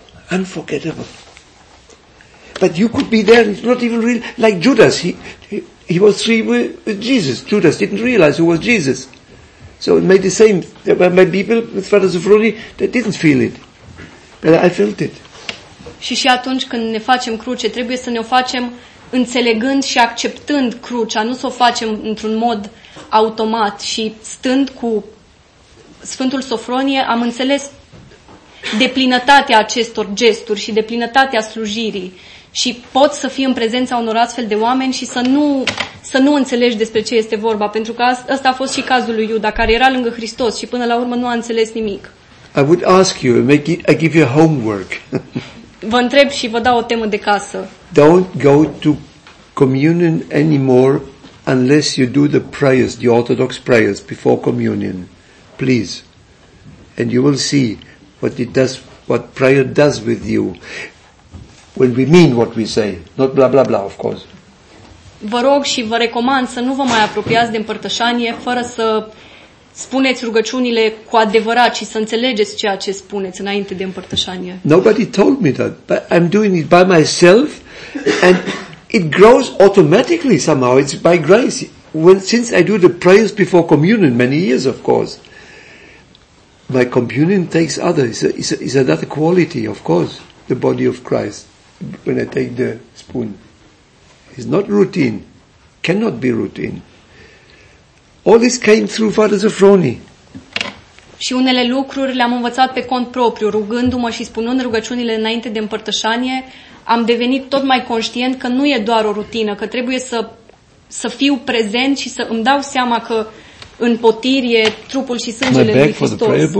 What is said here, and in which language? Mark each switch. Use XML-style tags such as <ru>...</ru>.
<en>Unforgettable. But you could be there, it's not even real. Like Judas, he was three with Jesus. Judas didn't realize who was Jesus. So it made the same. There were my people with Father Sofronie, they didn't feel it. But I felt it.</en> <ro>Și atunci când ne facem cruce, trebuie să ne o facem înțelegând și acceptând crucea, nu să o facem într-un mod automat. Și stând cu Sfântul Sofronie, am înțeles deplinătatea acestor gesturi și deplinătatea slujirii. Și pot să fii în prezența unor astfel de oameni și să nu înțelegi despre ce este vorba, pentru că ăsta a fost și cazul lui Iuda, care era lângă Hristos și până la urmă nu a înțeles nimic.</ro> <en>I would ask you, I give you homework.</en> <ro>Vă întreb și vă dau o temă de casă.</ro> <en>Don't go to communion anymore unless you do the prayers, the Orthodox prayers before communion, please. And you will see what prayer does with you. When we mean what we say, not blah blah blah, of course.</en> <ro>Vă rog și vă recomand să nu vă mai apropiați de împărtășanie fără să spuneți rugăciunile cu adevărat și să înțelegeți ceea ce spuneți înainte de împărtășanie.</ro> <en>Nobody told me that, but I'm doing it by myself and it grows automatically somehow. It's by grace. Well, since I do the prayers before communion many years, of course, my communion takes other, is another quality, of course, the body of Christ. When I take the spoon, it's not routine, cannot be routine. All this came through Father Sofronie.</en> <ro>Și unele lucruri le-am învățat pe cont propriu, rugându-mă și spunând rugăciunile înainte de împărtășanie, am devenit tot mai conștient că nu e doar o rutină, că trebuie să fiu prezent și să îmi dau seama că în potirie trupul și sângele lui Hristos.</ro>